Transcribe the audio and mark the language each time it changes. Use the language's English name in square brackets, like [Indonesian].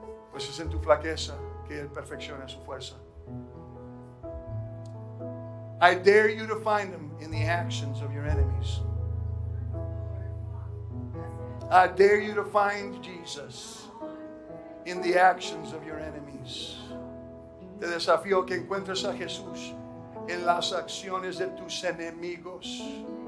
[Spanish] Pues es en tu flaqueza que él perfecciona su fuerza. [English] I dare you to find him in the actions of your enemies. I dare you to find Jesus in the actions of your enemies. [Spanish] Te desafío que encuentres a Jesús en las acciones de tus enemigos.